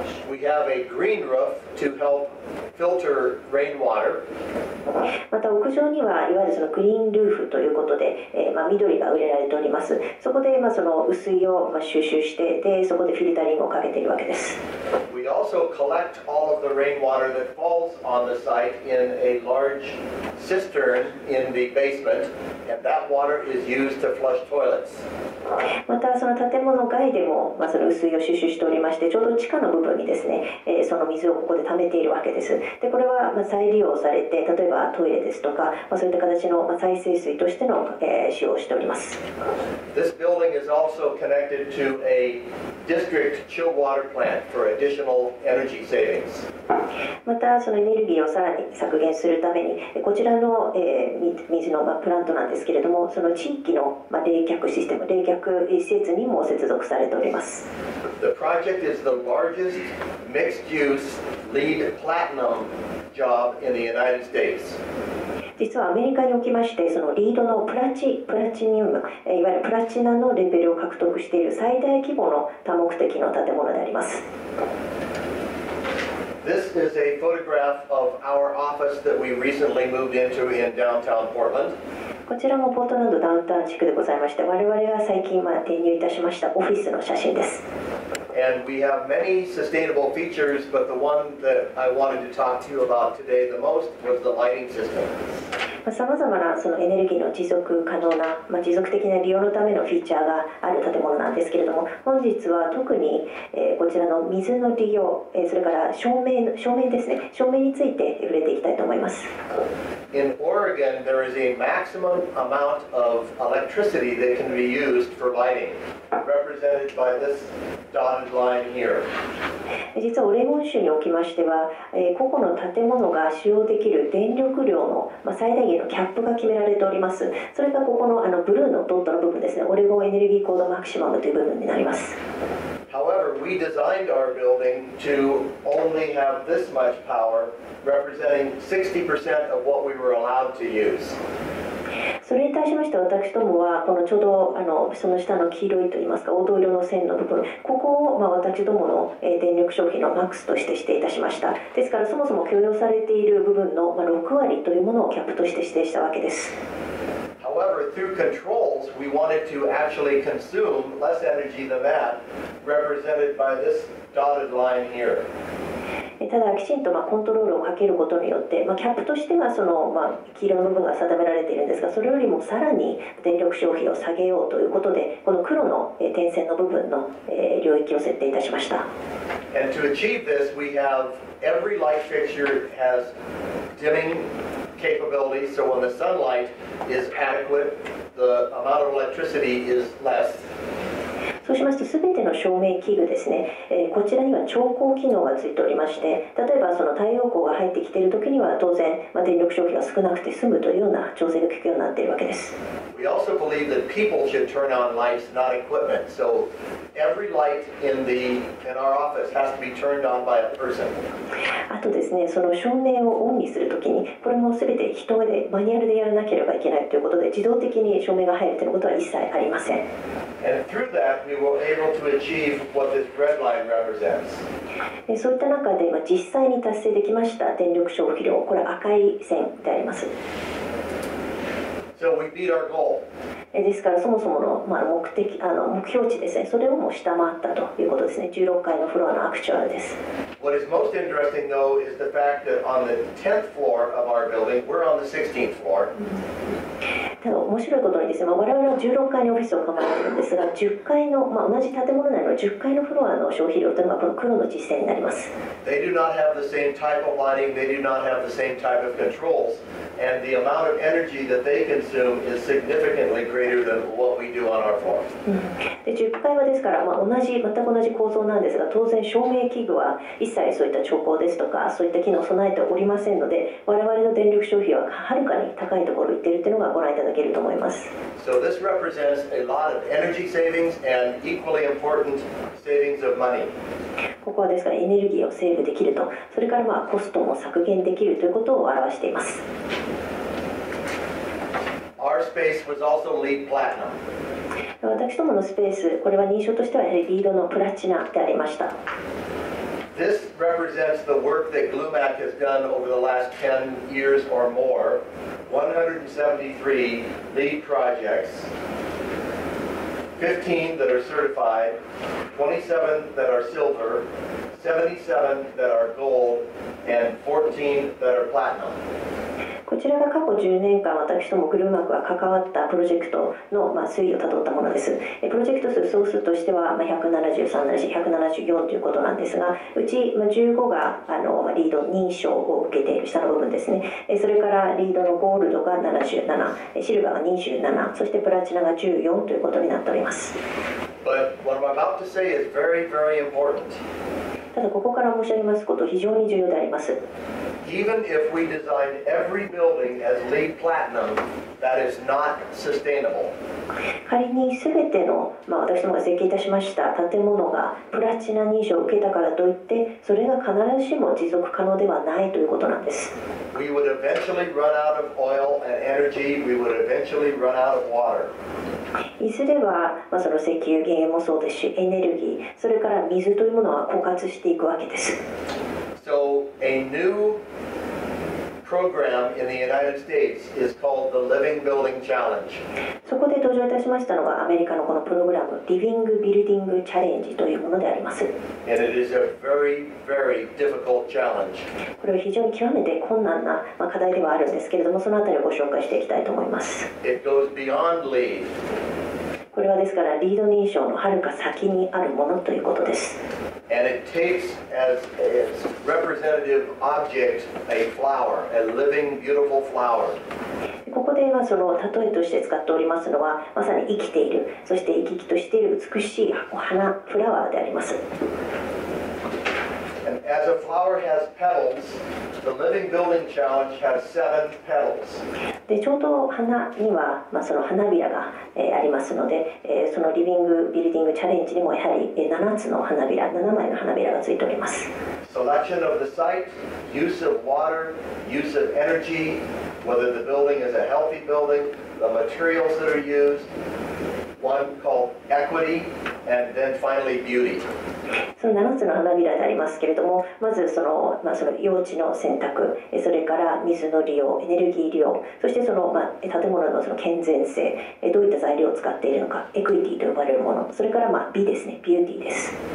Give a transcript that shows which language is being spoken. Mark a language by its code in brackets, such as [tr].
[en] We have a green roof to help filter rainwater。 [ja] また屋上にはいわゆるそのグリーンルーフということで、緑が植えられております。そこで、その雨水を、収集して、でそこでフィルタリングをかけているわけです。 [en] We also collect all of the rainwater that falls on the site in a largeCistern in the basement, and that water is used to flush toilets. [ja] またその建物外でも、その雨水を収集しておりまして、ちょうど地下の部分にですね、その水をここで溜めているわけです。で、これは再利用されて、例えばトイレですとか、そういった形の再生水としての、使用をしております。 [en] This building is also connected to a district chilled water plant for additional energy savings. [ja] またそのエネルギーをさらに削減するために、こちらの、水の、プラントなんですけれども、その地域の、冷却システム、冷却施設にも接続されております。 [en] The project is the largest mixed-use LEED platinum job in the United States. [ja] 実はアメリカにおきまして、そのリードのプラチニウム、いわゆるプラチナのレベルを獲得している最大規模の多目的の建物であります。 [en] This is a photograph of our office that we recently moved into in downtown Portland. [ja] こちらもポートランドダウンタウン地区でございまして、我々が最近転入いたしましたオフィスの写真です。 [en] And we have many sustainable features, but the one that I wanted to talk to you about today the most was the lighting system. [ja] さまざまなそのエネルギーの持続可能な、持続的な利用のためのフィーチャーがある建物なんですけれども、本日は特に、こちらの水の利用、それから照明ですね、照明について触れていきたいと思います。 [en] In Oregon, there is a maximum amount of electricity that can be used for lighting, represented by this dotted line here. [ja] 実はオレゴン州におきましては、個々の建物が使用できる電力量の、最大のキャップが決められております。それがここの、ブルーのドットの部分ですね、オレゴンエネルギーコードマキシマムという部分になります。 [en] However, we designed our building to only have this much power, representing 60% of what we were allowed to use. [ja] それに対しまして、私どもはこのちょうどその下の黄色いといいますか黄土色の線の部分、ここを私どもの電力消費のマックスとして指定いたしました。ですから、そもそも許容されている部分の6割というものをキャップとして指定したわけです。 [en] However, through controls, we wanted to actually consume less energy than that, represented by this dotted line here. [ja] ただきちんとコントロールをかけることによって、キャップとしてはその黄色の部分が定められているんですが、それよりもさらに電力消費を下げようということで、この黒の点線の部分の領域を設定いたしました。 [en] And to achieve this, we have every light fixture has dimming capability, so when the sunlight is adequate, the amount of electricity is less. [ja] そうしますと、全ての照明器具ですね、こちらには調光機能がついておりまして、例えばその太陽光が入ってきているときには当然、電力消費が少なくて済むというような調整が効くようになっているわけです。 [en] We also believe that people should turn on lights, not equipment. So every light in our office has to be turned on by a person. [ja] あとですね、その照明をオンにするときに、これも全て人でマニュアルでやらなければいけないということで、自動的に照明が入るということは一切ありません。 [en] And through that, we were able to achieve what this red line represents. [ja] そういった中で、実際に達成できました電力消費量、これは赤い線であります。 [en] So we beat our goal. [ja] ですから、そもそもの、目標値ですね、それをもう下回ったということですね。 16階のフロアのアクチュアルです。 [en] What is most interesting, though, is the fact that on the 10th floor of our building, we're on the 16th floor. [ja] ただ面白いことにですね、まあ、我々は16階にオフィスを構えているんですが、10階の、まあ、同じ建物内の10階のフロアの消費量というのがこの黒の実践になります。 [en] They do not have the same type of lighting, they do not have the same type of controls, and the amount of energy that they consume is significantly greater than what we do on our floor. [ja] で、10階はですから、まあ、同じ、全く同じ構造なんですが、当然照明器具は一切そういった調光ですとか、そういった機能を備えておりませんので、我々の電力消費ははるかに高いところに行っているというのがご覧いただけると思います。 [en] So this represents a lot of energy savings and equally important savings of money. [ja] ここはですからエネルギーをセーブできると、それからまあコストも削減できるということを表しています。 [en] Our space was also LEED Platinum. [ja] 私どものスペース、これは認証としてはやはりLEEDのプラチナでありました。 [en] This represents the work that Glumac has done over the last 10 years or more. 173 LEED projects, 15 that are certified, 27 that are silver, 77 that are gold, and 14 that are platinum. [ja] こちらが過去10年間私どもグルーマークが関わったプロジェクトの推移をたどったものです。プロジェクト数総数としては173なし174ということなんですが、うち15がリード認証を受けている下の部分ですね。それからリードのゴールドが77、シルバーが27、そしてプラチナが14ということになっております。 [en] But what I'm about to say is very, very important. [ja] ただここから申し上げますこと非常に重要であります。 [en] Even if we design every building as LEED Platinum, that is not sustainable. [ja] 仮にすべての、まあ、私どもが設計いたしました建物がプラチナ認証を受けたからといって、それが必ずしも持続可能ではないということなんです。 [en] We would eventually run out of oil and energy. We would eventually run out of water. [ja] いずれは、まあ、その石油、原油もそうですし、エネルギー、それから水というものは枯渇していくわけです。 [en] So a new program in the United States is called the Living Building Challenge. [ja] そこで登場いたしましたのがアメリカのこのプログラム、Living Building Challenge というものであります。 [en] And it is a very, very difficult challenge. [ja] これは非常に極めて困難な課題ではあるんですけれども、そのあたりをご紹介していきたいと思います。 [en] It goes beyond LEED. [ja] これはですからLEED認証のはるか先にあるものということです。 [en] And it takes as its representative object a flower, a living, beautiful flower. [ja] ここでその例えとして使っておりますのは、まさに生きている、そして生き生きとしている美しいお花、フラワーであります。 [en] And as a flower has petals, the Living Building Challenge has seven petals. [ja] でちょうど花には、まあ、その花びらが、ありますので、そのリビングビルディングチャレンジにもやはり、7つの花びら、7枚の花びらがついております。 [en] Selection of the site, use of water, use of energy, whether the building is a healthy building, the materials that are used, one called equity, and then finally beauty. [ja] その7つの花びらでありますけれども、まずその、まあ、その用地の選択、それから水の利用、エネルギー利用、そしてその、まあ、建物 の, その健全性、どういった材料を使っているのか、エクイティと呼ばれるもの、それから、まあ、美ですね、ビューティーです。